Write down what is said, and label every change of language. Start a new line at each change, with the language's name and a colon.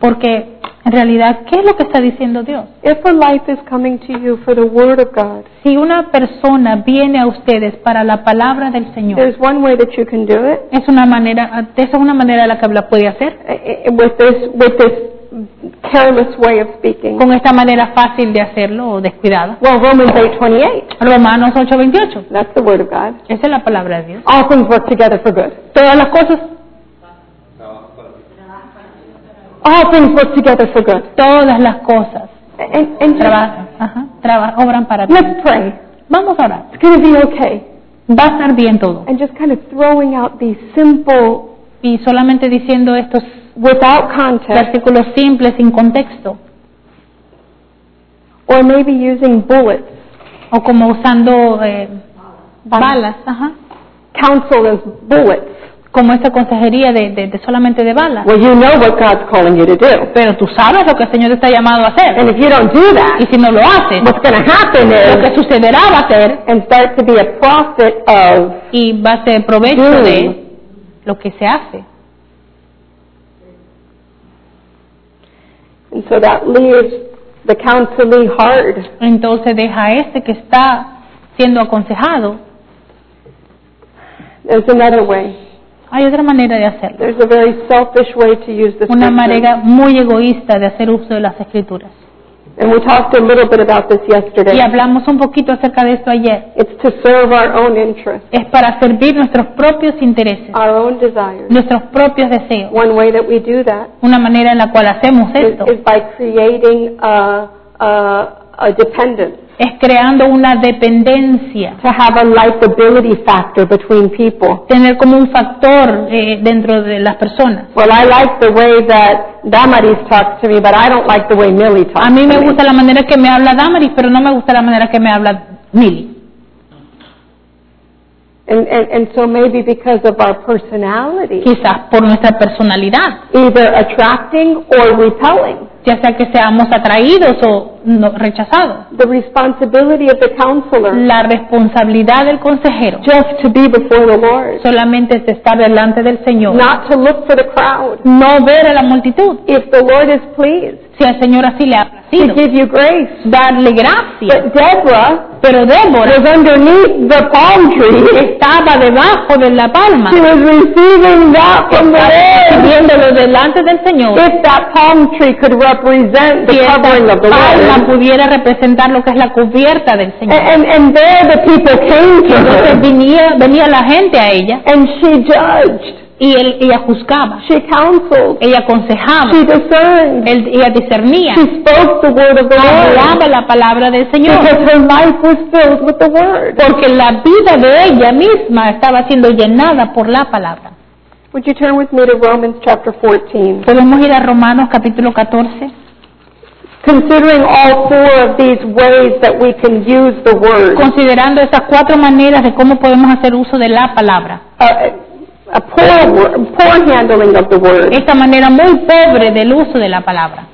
Spanish: Porque en realidad, ¿qué es lo que está diciendo Dios?
English: If a life is coming to you for the word of God,
Spanish: si una persona viene a ustedes para la palabra del Señor,
English: there's one way that you can do it.
Spanish: Es una manera, esa es una manera en la que la puede hacer.
English: With this careless way of speaking.
Spanish: Con esta manera fácil de hacerlo o descuidada.
English: Well, Romans 8:28.
Spanish: Romanos 8:28.
English: That's the word of God.
Spanish: Esa es la palabra de Dios.
English: All things work together for good.
Spanish: Todas las cosas.
English: All things work together for good.
Spanish: Todas las cosas.
English: And
Spanish: obran para bien.
English: Let's pray.
Spanish: Vamos a orar.
English: It's going to be okay.
Spanish: Va a estar bien todo.
English: And just kind of throwing out these simple.
Spanish: Y solamente diciendo estos.
English: Without context.
Spanish: Versículos simples sin contexto.
English: Or maybe using bullets.
Spanish: O como usando balas. Ajá.
English: Counsel as bullets.
Spanish: Como esta consejería de solamente de balas.
English: Well, you know what God's calling you to do.
Spanish: Pero tú sabes lo que el Señor te está llamado a hacer.
English: And if you don't do that,
Spanish: y si no lo haces,
English: what's going to happen is,
Spanish: lo que sucederá va a ser,
English: and start to be a prophet of,
Spanish: y va a ser provecho de lo que se hace.
English: And so that leaves the counselee hard.
Spanish: Entonces deja a este que está siendo aconsejado.
English: There's another way.
Spanish: Hay otra manera de hacerlo.
English: There's a very selfish way to use the
Spanish: una manera muy egoísta de hacer uso de las escrituras.
English: And we talked a little bit about this yesterday.
Spanish: Y hablamos un poquito acerca de esto ayer.
English: It's to serve our own interests.
Spanish: Es para servir nuestros propios intereses.
English: Our own desires.
Spanish: Nuestros propios deseos.
English: One way that we do that.
Spanish: Una manera en la cual hacemos esto.
English: Is by creating a dependence.
Spanish: Es creando una dependencia.
English: To have a likability factor between people.
Spanish: Tener como un factor dentro de las personas.
English: Well, I like the way that Damaris talks to me, but I don't like the way Millie talks to me.
Spanish: A mí me gusta la manera que me habla Damaris, pero no me gusta la manera que me habla Millie.
English: And so maybe because of our personality.
Spanish: Quizás por nuestra personalidad.
English: Either attracting or repelling.
Spanish: Ya sea que seamos atraídos o no, rechazados.
English: The responsibility of the counselor.
Spanish: La responsabilidad del consejero.
English: Just to be before the Lord.
Spanish: Solamente es estar delante del Señor.
English: Not to look for the crowd.
Spanish: No ver a la multitud.
English: If the Lord is pleased.
Spanish: Si el Señor así le ha placido.
English: To give you grace.
Spanish: Darle gracia.
English: But Deborah.
Spanish: Pero Débora,
English: was underneath the palm tree.
Spanish: Estaba debajo de la palma.
English: She was receiving that from the Lord.
Spanish: Viéndolo delante del Señor.
English: If that palm tree could represent the covering of the Lord.
Spanish: Si esa palma pudiera representar lo que es la cubierta del Señor.
English: And there the people came to her.
Spanish: Entonces venía la gente a ella.
English: And she judged.
Spanish: Ella juzgaba.
English: She counseled.
Spanish: Ella aconsejaba.
English: She discerned.
Spanish: Ella discernía.
English: She spoke the word of the Lord.
Spanish: Hablaba la palabra del Señor.
English: Because her life was filled with the word.
Spanish: Porque la vida de ella misma estaba siendo llenada por la palabra.
English: Would you turn with me to Romans chapter 14?
Spanish: ¿Podemos ir a Romanos capítulo 14?
English: Considering all four of these ways that we can use the word.
Spanish: Considerando esas cuatro maneras de cómo podemos hacer uso de la palabra.
English: A poor handling of the word.
Spanish: Esta manera muy pobre del uso de la palabra.